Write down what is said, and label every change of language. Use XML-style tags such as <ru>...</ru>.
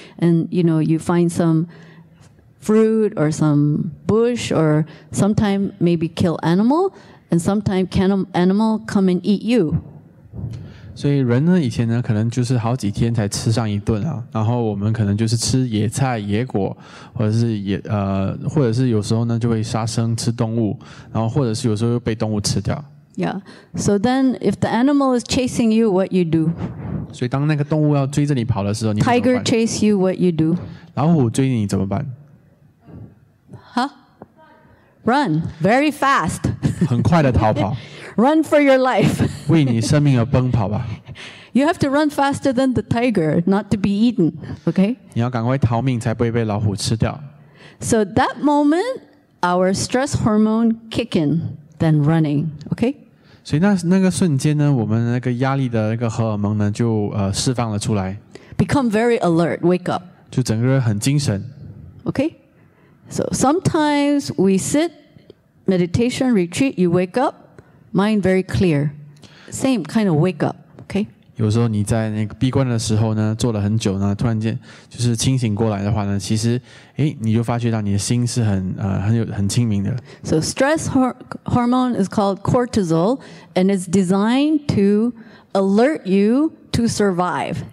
<en>And you know, you find some fruit or some bush or sometime maybe kill animal, and sometime can animal come and eat you.</en> <zh>所以人呢，以前呢可能就是好几天才吃上一顿啊，然后我们可能就是吃野菜、野果，或者是有时候呢就会杀生吃动物，然后或者是有时候又被动物吃掉。</zh> <en>Yeah, so then if the animal is chasing you, what you do?</en> <zh>所以当那个动物要追着你跑的时候，你怎么办</zh> <en>？Tiger chase you, what you do?</en> <zh>老虎追你怎么办</zh> <en>？Huh? Run very fast.</en> <zh>很快的逃跑。</zh> <en>Run for your life.</en> <zh>为你生命而奔跑吧。</zh> <en>You have to run faster than the tiger not to be eaten, okay?</en> <zh>你要赶快逃命才不会被老虎吃掉。</zh> <en>So that moment, our stress hormone kick in, then running, okay?</en> <zh>所以那个瞬间呢，我们那个压力的那个荷尔蒙呢，就释放了出来。</zh> <en>Become very alert, wake up.</en> <zh>就整个人很精神。</zh> <en>Okay? So sometimes we sit, meditation, retreat, you wake up,Mind very clear. Same kind of wake up, okay?</en> <zh>有时候你在那个闭关的时候呢，坐了很久呢，突然间就是清醒过来的话呢，其实，你就发觉到你的心是很清明的。</zh> <en>So stress hormone is called cortisol, and it's designed to alert you to survive.</en>